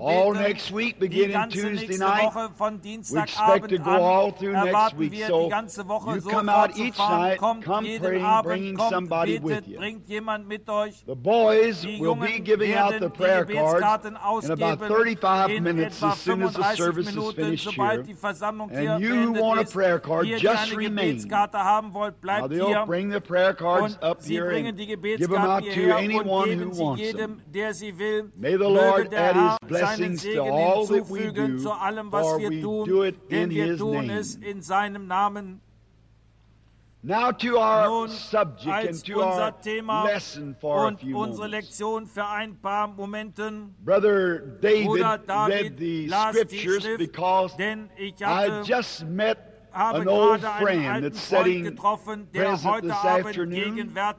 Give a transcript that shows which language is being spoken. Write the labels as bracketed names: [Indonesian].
[English] All next week, beginning Tuesday night, we expect to go all through next week. So you come out each night, come praying, bringing somebody with you. The boys will be giving out the prayer cards in about 35 minutes as soon as the [German] 30 Minuten, sobald die Versammlung hier beendet ist, ihr, die eine Gebetskarte haben wollt, bleibt hier. Und sie bringen die Gebetskarte hierher und geben sie jedem, der sie will. Möge der Herr seinen Segen hinzufügen zu allem, was wir tun, denn wir tun es in seinem Namen. [English] Now to our subject and to our lesson for a few [German] unsere Lektion für ein paar Momenten. [English] Brother David read the scriptures because I just met an old friend that's sitting present this afternoon.